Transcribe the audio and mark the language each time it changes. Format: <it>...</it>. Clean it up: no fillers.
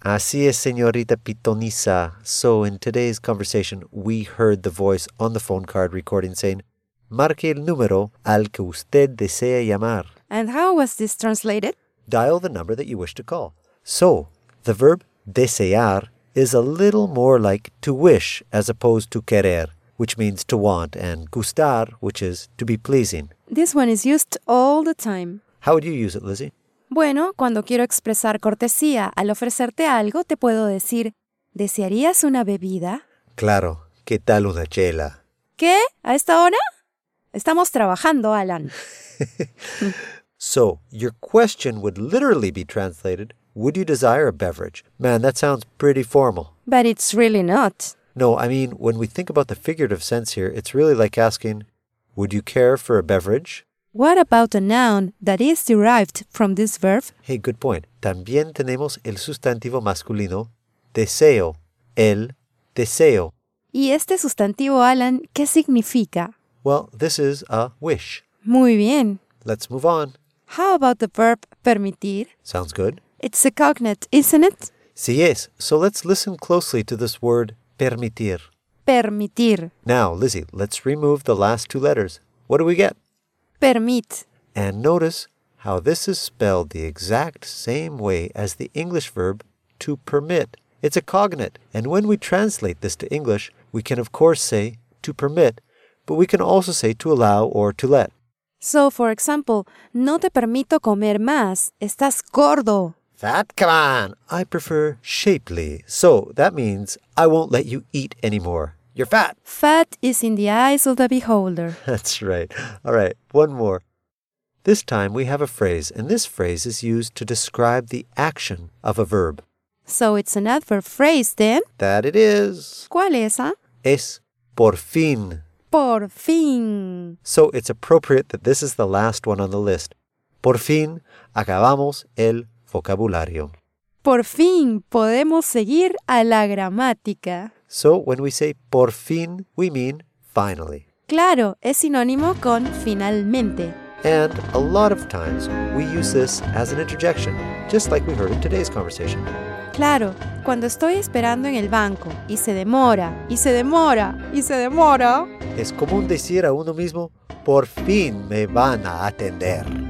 <es>Así es, señorita Pitonisa.</es> <en>So in today's conversation, we heard the voice on the phone card recording saying,</en> <es>marque el número al que usted desea llamar.</es> <en>And how was this translated? Dial the number that you wish to call. So the verb desear is a little more like to wish as opposed to querer, which means to want, and gustar, which is to be pleasing. This one is used all the time. How would you use it, Lizzie?</en> <es>Bueno, cuando quiero expresar cortesía al ofrecerte algo, te puedo decir, ¿desearías una bebida? Claro, ¿qué tal una chela? ¿Qué? ¿A esta hora? Estamos trabajando, Alan.</es> <en>So, your question would literally be translated, would you desire a beverage? Man, that sounds pretty formal. But it's really not. No, I mean, when we think about the figurative sense here, it's really like asking, would you care for a beverage? What about a noun that is derived from this verb? Hey, good point.</en> <es>También tenemos el sustantivo masculino, deseo, el deseo. ¿Y este sustantivo, Alan, qué significa?</es> <en>Well, this is a wish.</en> <es>Muy bien.</es> <en>Let's move on. How about the verb permitir? Sounds good. It's a cognate, isn't it? Sí, yes. So let's listen closely to this word permitir.</en> <es>Permitir.</es> <en>Now, Lizzie, let's remove the last two letters. What do we get? Permit. And notice how this is spelled the exact same way as the English verb to permit. It's a cognate. And when we translate this to English, we can of course say to permit, but we can also say to allow or to let. So, for example,</en> <es>no te permito comer más. Estás gordo.</es> <en>Fat, come on. I prefer shapely. So that means I won't let you eat anymore. You're fat. Fat is in the eyes of the beholder. That's right. All right, one more. This time we have a phrase, and this phrase is used to describe the action of a verb. So it's an adverb phrase then? That it is.</en> <es>¿Cuál es, huh? Es por fin. Por fin.</es> <en>So it's appropriate that this is the last one on the list.</en> <es>Por fin acabamos el vocabulario. Por fin podemos seguir a la gramática.</es> <en>So when we say por fin, we mean finally.</en> <es>Claro, es sinónimo con finalmente.</es> <en>And a lot of times we use this as an interjection, just like we heard in today's conversation.</en> <es>Claro, cuando estoy esperando en el banco y se demora, y se demora, y se demora. Es común decir a uno mismo, por fin me van a atender.</es>